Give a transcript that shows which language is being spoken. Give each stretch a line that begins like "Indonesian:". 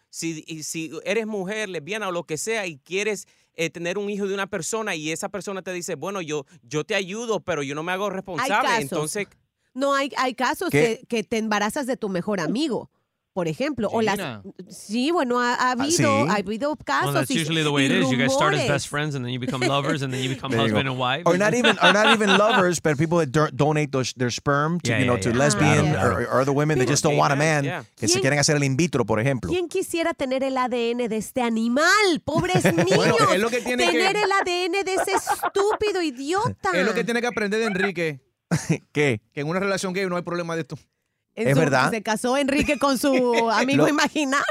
Spanish: Si, y si eres mujer, lesbiana o lo que sea, y quieres tener un hijo de una persona, y esa persona te dice, bueno, yo te ayudo, pero yo no me hago responsable. Hay casos. Entonces, no, hay casos que te embarazas de tu mejor amigo. Por ejemplo, Gina. O las sí, bueno, ha habido casos.
English: Well, that's usually the way it is. You guys start as best friends, and then you become lovers, and then you become husband and wife. Or not even lovers, but people that donate their sperm to lesbian or other women that just don't want a man. Yeah.
Spanish: Que se quieren hacer el in vitro, por ejemplo. ¿Quién quisiera tener el ADN de este animal, pobres niños? Bueno, es lo que tiene tener que... el ADN de ese estúpido idiota. Es lo que tiene que aprender de Enrique. ¿Qué? Que en una relación gay no hay problema de esto. Es verdad. Se casó Enrique con su amigo imaginario.